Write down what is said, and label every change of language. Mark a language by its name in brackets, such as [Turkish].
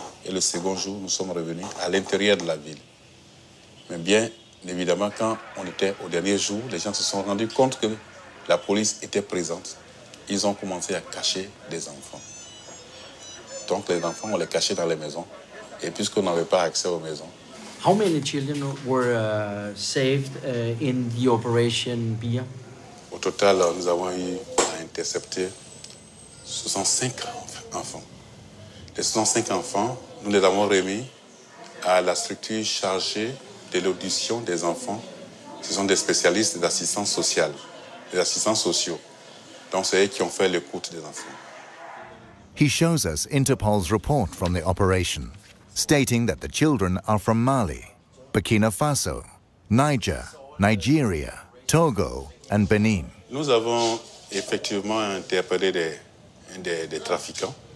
[French] Et le second jour, nous sommes revenus à l'intérieur de la ville. Mais bien évidemment, quand on était au dernier jour, les gens se sont rendus compte que la police était présente. Ils ont commencé à cacher des enfants. Donc les enfants, on les cachait dans les maisons. Et puisqu'on n'avait pas accès aux maisons. [English] How many children were saved in the operation Bia? [French] Au total, nous avons eu à intercepter 65 enfants. Les 65 enfants, nous les avons remis à la structure chargée de l'audition des enfants. Ce sont des spécialistes d'assistance sociale. Les assistants sociaux. Donc c'est eux qui ont fait l'écoute des enfants. [English] He shows us Interpol's report from the operation, stating that the children are from Mali, Burkina Faso, Niger, Nigeria, Togo and Benin. [French] Nous avons effectivement interpellé des trafiquants.